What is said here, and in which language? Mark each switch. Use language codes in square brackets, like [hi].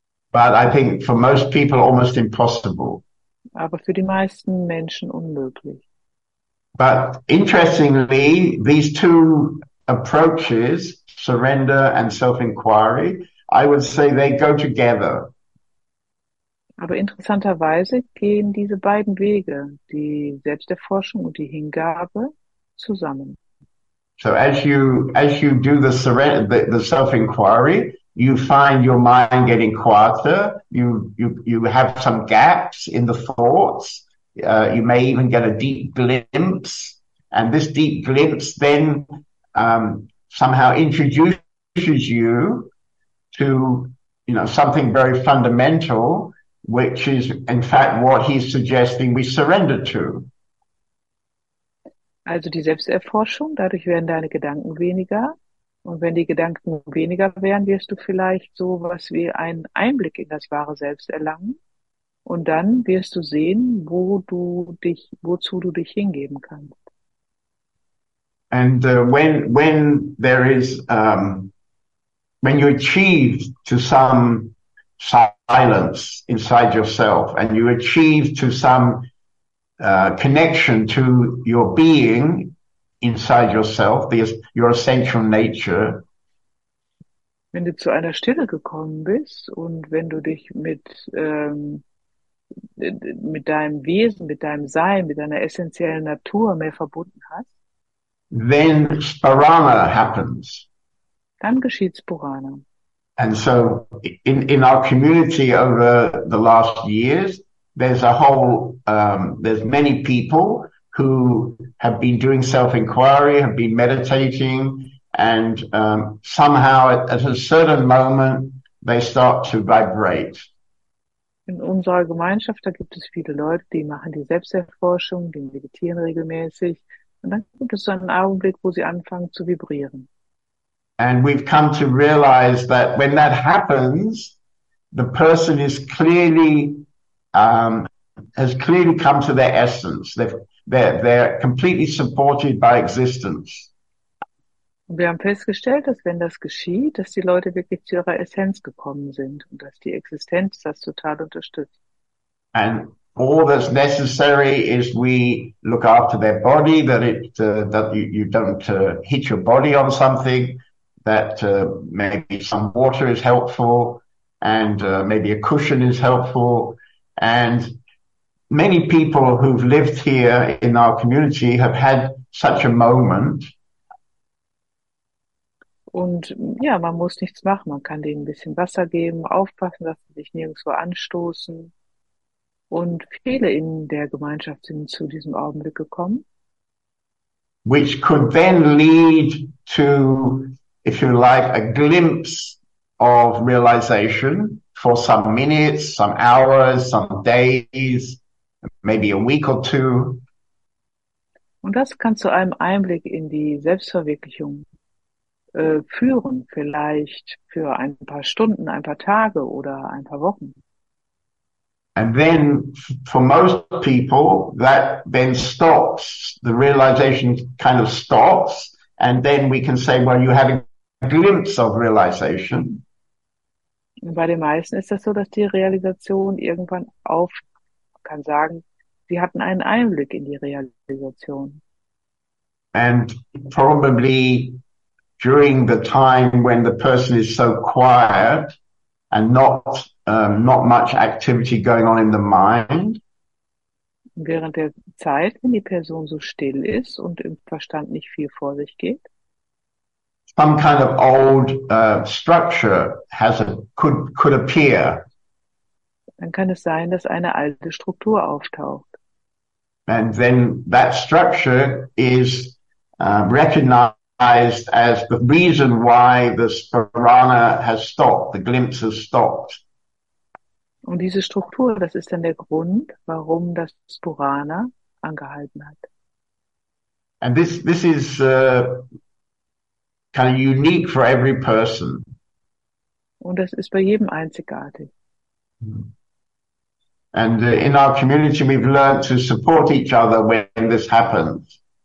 [en] But I think for most people almost impossible. [de] Aber für die meisten Menschen unmöglich. [en] But interestingly, these two approaches, surrender and self-inquiry, I would say they go together. [de] Aber interessanterweise gehen diese beiden Wege, die Selbsterforschung und die Hingabe, zusammen. [en] So as you do the self-inquiry, you find your mind getting quieter. You have some gaps in the thoughts. You may even get a deep glimpse, and this deep glimpse then somehow introduces you to, you know, something very fundamental, which is in fact what he's suggesting we surrender to. [de] Also die Selbsterforschung, dadurch werden deine Gedanken weniger, und wenn die Gedanken weniger werden, wirst du vielleicht so was wie einen Einblick in das wahre Selbst erlangen, und dann wirst du sehen, wozu du dich hingeben kannst. [en] And when there is when you achieve to some silence inside yourself, and you achieve to some connection to your being inside yourself, your essential nature. [de] Wenn du zu einer Stille gekommen bist und wenn du dich mit deinem Wesen, mit deinem Sein, mit deiner essentiellen Natur mehr verbunden hast, [en] then Sparana happens. [de] Dann geschieht Sparana. [en] And so in our community over the last years, there's many people who have been doing self-inquiry, have been meditating, and somehow at a certain moment they start to vibrate. [de] In unserer Gemeinschaft, da gibt es viele Leute, die machen die Selbsterforschung, die meditieren regelmäßig, und dann gibt es so einen Augenblick, wo sie anfangen zu vibrieren. [en] And we've come to realize that when that happens, the person is clearly has clearly come to their essence. They're completely supported by existence. [de] Und wir haben festgestellt, dass wenn das geschieht, dass die Leute wirklich zu ihrer Essenz gekommen sind und dass die Existenz das total unterstützt. [en] And all that's necessary is we look after their body, that you don't hit your body on something, that maybe some water is helpful and maybe a cushion is helpful. And many people who've lived here in our community have had such a moment. [de] Und ja, man muss nichts machen. Man kann denen ein bisschen Wasser geben, aufpassen, dass sie sich nirgendwo anstoßen. Und viele in der Gemeinschaft sind zu diesem Augenblick gekommen. [en] Which could then lead to, if you like, a glimpse of realization for some minutes, some hours, some days, maybe a week or two. [de] Und das kann zu einem Einblick in die Selbstverwirklichung führen, vielleicht für ein paar Stunden, ein paar Tage oder ein paar Wochen. [en] And then for most people that then stops, the realization kind of stops, and then we can say, well, you had a glimpse of realization. [de] Und bei den meisten ist das so, dass die Realisation irgendwann auf, man kann sagen, sie hatten einen Einblick in die Realisation. [en] And probably during the time when the person is so quiet and not much activity going on in the mind. [de] Während der Zeit, wenn die Person so still ist und im Verstand nicht viel vor sich geht. [en] Some kind of old structure could appear. [de] Dann kann es sein, dass eine alte Struktur auftaucht. [en] And then that structure is recognized as the reason why the sparana has stopped, the glimpse has stopped. [de] Und diese Struktur, das ist dann der Grund, warum das Sparana angehalten hat. [en] And this is kind of unique for every person. [de] Und das ist bei jedem einzigartig. [en] And in our community we've learned to support each other when this happens.